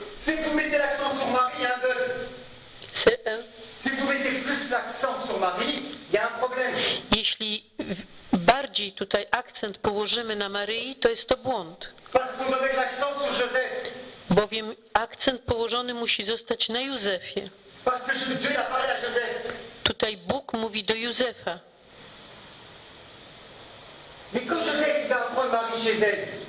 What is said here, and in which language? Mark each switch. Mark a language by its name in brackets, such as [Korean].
[French] Si vous mettez l'accent sur Marie, il y a un bug. Si vous mettez plus l'accent sur Marie, il y a un problème. [Polish] Jeśli bardziej tutaj akcent położymy na Maryi, to jest to błąd. [French] Parce que vous mettez l'accent sur Joseph. [Polish] Bowiem akcent położony musi zostać na Józefie. [French] Parce que Dieu a parlé à Joseph. [Polish] Tutaj Bóg mówi do Józefa. [French] Mais quand Joseph va prendre Marie chez elle.